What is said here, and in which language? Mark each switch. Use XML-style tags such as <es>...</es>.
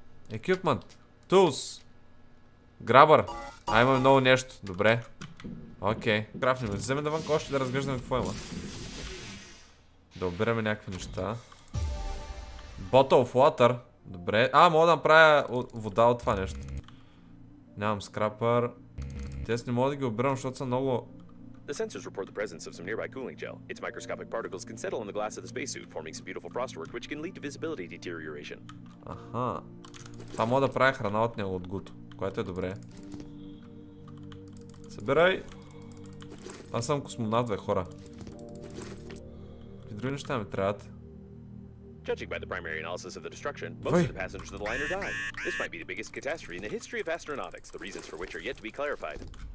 <bg>Екюпмент. Тулс. Грабър. А, имаме много нещо. Добре. Окей. Okay. Крафтим. Вземе да вънко още да разглеждаме какво има. Да обираме някакви неща.</bg> <en>Bottle of water. Добре.</en> <bg>А, мога да направя вода от това нещо. Нямам скрапър. Тест не мога да ги обирам, защото са много.</bg> <en>The sensors report the presence of some nearby cooling gel. Its microscopic particles can settle in the glass of the spacesuit, forming some beautiful frostwork, which can lead to visibility deterioration.</en> <bg>Аха. Това мога да правя храна от него от гуто, което е добре. Събирай. Аз съм космонавт, бе, хора. Какви други неща ми трябват?</bg> <en>Judging by the primary analysis of the destruction, most of the passengers of the liner died. This might be the biggest catastrophe in the history of astronautics, the reasons for which are yet to be clarified.</en>